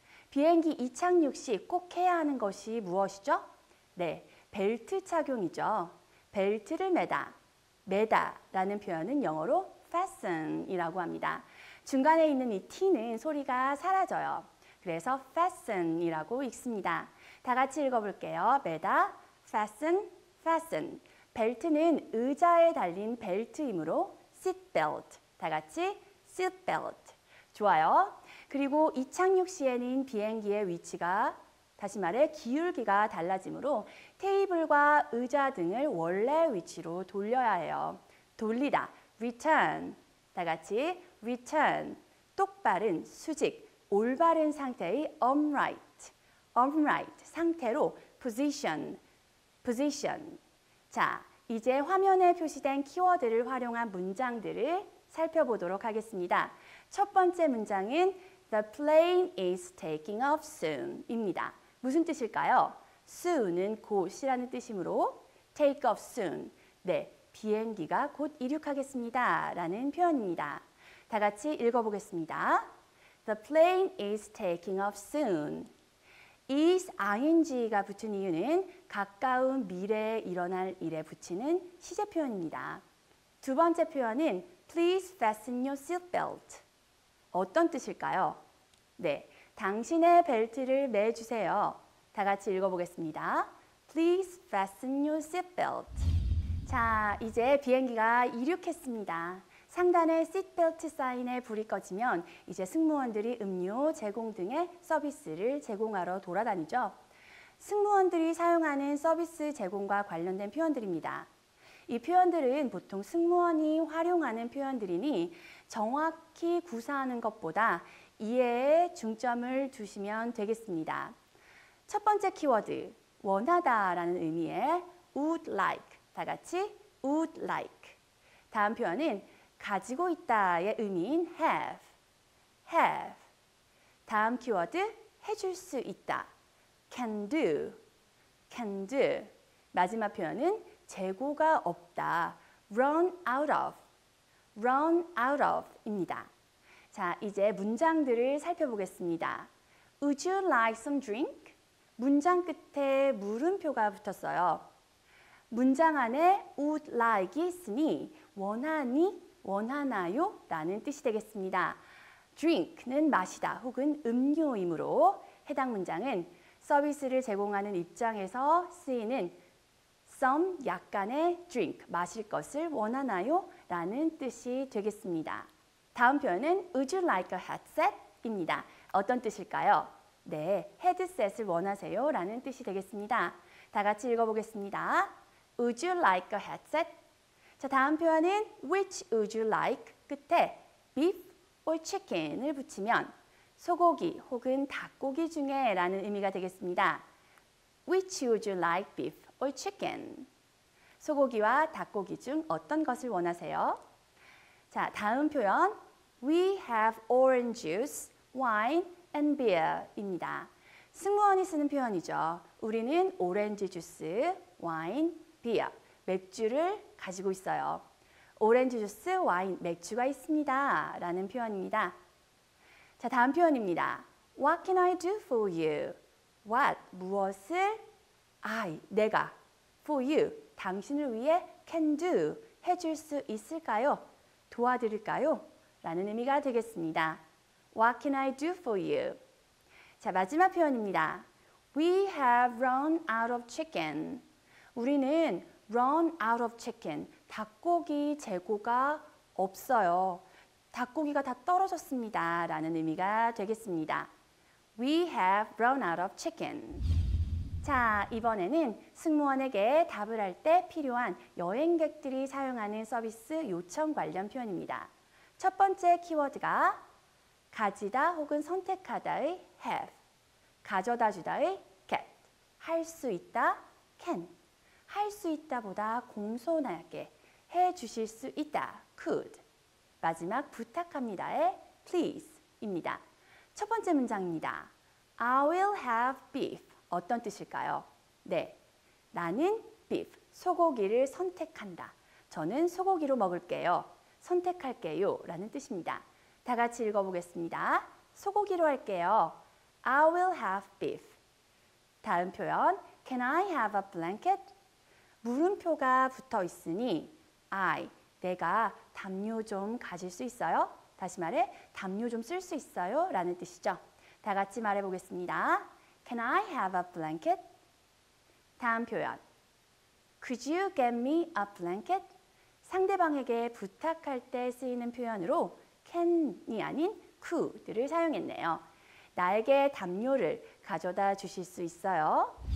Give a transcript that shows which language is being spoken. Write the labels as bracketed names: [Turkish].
[Korean] 비행기 이착륙 시 꼭 해야 하는 것이 무엇이죠? 네, 벨트 착용이죠. 벨트를 매다, 매다 라는 표현은 영어로 fasten 이라고 합니다. 중간에 있는 이 T는 소리가 사라져요. 그래서 fasten 이라고 읽습니다. 다 같이 읽어볼게요. [English] 매다, fasten, fasten. [Korean] 벨트는 의자에 달린 벨트이므로 seat belt. 다 같이 seat belt. 좋아요. 그리고 이착륙 시에는 비행기의 위치가, 다시 말해 기울기가 달라지므로 테이블과 의자 등을 원래 위치로 돌려야 해요. 돌리다, return. 다 같이 return. 똑바른, 수직, 올바른 상태의 upright. [English] upright, 상태로 position, position. [Korean] 자, 이제 화면에 표시된 키워드를 활용한 문장들을 살펴보도록 하겠습니다. 첫 번째 문장은 [English] The plane is taking off soon [Korean] 입니다. 무슨 뜻일까요? soon은 곧이라는 뜻이므로 [English] take off soon, [Korean] 네, 비행기가 곧 이륙하겠습니다 라는 표현입니다. 다 같이 읽어보겠습니다. [English] The plane is taking off soon. [Korean] is ing가 붙은 이유는 가까운 미래에 일어날 일에 붙이는 시제 표현입니다. 두 번째 표현은 [English] please fasten your seatbelt. [Korean] 어떤 뜻일까요? 네, 당신의 벨트를 매주세요. 다 같이 읽어보겠습니다. [English] Please fasten your seatbelt. [Korean] 자, 이제 비행기가 이륙했습니다. 상단에 seatbelt 사인의 불이 꺼지면 이제 승무원들이 음료 제공 등의 서비스를 제공하러 돌아다니죠. 승무원들이 사용하는 서비스 제공과 관련된 표현들입니다. 이 표현들은 보통 승무원이 활용하는 표현들이니 정확히 구사하는 것보다 이해에 중점을 두시면 되겠습니다. 첫 번째 키워드, 원하다 라는 의미의 would like, 다 같이 would like. 다음 표현은 가지고 있다의 의미인 have, have. 다음 키워드, 해줄 수 있다, can do, can do. 마지막 표현은 재고가 없다, run out of, run out of 입니다. 자, 이제 문장들을 살펴보겠습니다. [English] Would you like some drink? [Korean] 문장 끝에 물음표가 붙었어요. 문장 안에 would like이 있으니 원하니, 원하나요? 라는 뜻이 되겠습니다. drink는 마시다 혹은 음료이므로 해당 문장은 서비스를 제공하는 입장에서 쓰이는 some 약간의 drink, 마실 것을 원하나요? 라는 뜻이 되겠습니다. 다음 표현은 [English] Would you like a headset? [Korean] 입니다. 어떤 뜻일까요? 네, 헤드셋을 원하세요? 라는 뜻이 되겠습니다. 다 같이 읽어보겠습니다. [English] Would you like a headset? [Korean] 자, 다음 표현은 [English] Which would you like? [Korean] 끝에 [English] beef or chicken [Korean] 을 붙이면 소고기 혹은 닭고기 중에 라는 의미가 되겠습니다. [English] Which would you like beef? or chicken. [Korean] 소고기와 닭고기 중 어떤 것을 원하세요? 자, 다음 표현, [English] We have orange juice, wine, and beer입니다. [Korean] 승무원이 쓰는 표현이죠. 우리는 오렌지 주스, 와인, 비어, 맥주를 가지고 있어요. 오렌지 주스, 와인, 맥주가 있습니다. 라는 표현입니다. 자, 다음 표현입니다. [English] What can I do for you? What, 무엇을? I, 내가. For you, [Korean] 당신을 위해 [English] can do, [Korean] 해줄 수 있을까요? 도와드릴까요? 라는 의미가 되겠습니다. [English] What can I do for you? [Korean] 자, 마지막 표현입니다. [English] We have run out of chicken. [Korean] 우리는 [English] run out of chicken, [Korean] 닭고기 재고가 없어요. 닭고기가 다 떨어졌습니다. 라는 의미가 되겠습니다. [English] We have run out of chicken. [Korean] 자, 이번에는 승무원에게 답을 할 때 필요한 여행객들이 사용하는 서비스 요청 관련 표현입니다. 첫 번째 키워드가 가지다 혹은 선택하다의 have, 가져다 주다의 get, 할 수 있다, can, 할 수 있다보다 공손하게 해 주실 수 있다, could, 마지막 부탁합니다의 please입니다. 첫 번째 문장입니다. [English] I will have beef. [Korean] 어떤 뜻일까요? 네, 나는 beef, 소고기를 선택한다. 저는 소고기로 먹을게요. 선택할게요 라는 뜻입니다. 다 같이 읽어보겠습니다. 소고기로 할게요. [English] I will have beef. [Korean] 다음 표현, [English] Can I have a blanket? [Korean] 물음표가 붙어 있으니 I, 내가 담요 좀 가질 수 있어요? 다시 말해, 담요 좀 쓸 수 있어요? 라는 뜻이죠. 다 같이 말해보겠습니다. [English] Can I have a blanket? [Korean] 다음 표현, [English] Could you get me a blanket? [Korean] 상대방에게 부탁할 때 쓰이는 표현으로 can이 아닌 could를 사용했네요. 나에게 담요를 가져다 주실 수 있어요?